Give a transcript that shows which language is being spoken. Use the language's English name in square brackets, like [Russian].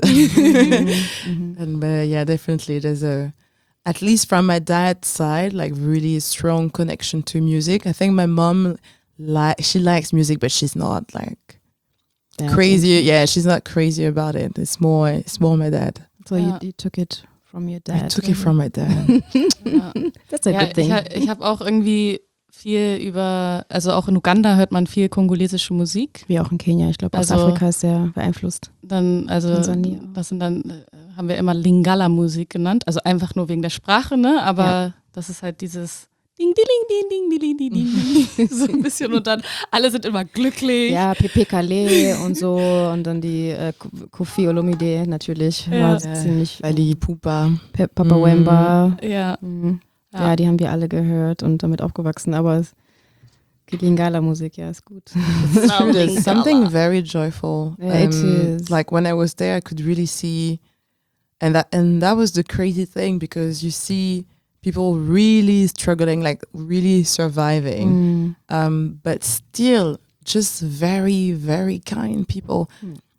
[English] Mm-hmm. And yeah, definitely there's at least from my dad's side, like really strong connection to music. I think my mom, she likes music, but she's not like crazy. Yeah, she's not crazy about it. It's more my dad. So you took it from your dad. I took it from my dad. That's a good thing. [German] Ich habe auch irgendwie viel über, also auch in Uganda hört man viel kongolesische Musik. Wie auch in Kenia. Ich glaube, also, Ostafrika ist sehr beeinflusst. Dann, also, das sind dann, haben wir immer Lingala-Musik genannt. Also einfach nur wegen der Sprache, ne? Aber das ist halt dieses Ding, ding, ding, ding, ding, ding, ding, ding, ding. So ein bisschen und dann alle sind immer glücklich. Ja, Pepekale und so und dann die Kofi Olomide natürlich. Ja. War ziemlich. Weil die Pupa. Papa Wemba. Ja. Mhm. Ja. Ja, die haben wir alle gehört und damit aufgewachsen, aber es gibt Lingala-Musik, ja, ist gut. [English] Something very joyful. Yeah, it is. Like when I was there, I could really see. And that was the crazy thing because you see people really struggling, like really surviving, but still just very, very kind people. Mm.